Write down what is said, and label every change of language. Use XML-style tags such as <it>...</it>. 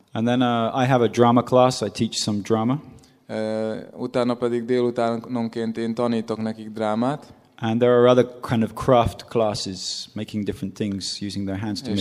<en>And then I have a drama class, I teach some drama.</en> <hu>Utána pedig délutánonként én tanítok nekik drámát.</hu> <en>And there are other kind of craft classes, making different things, using their hands to make</en>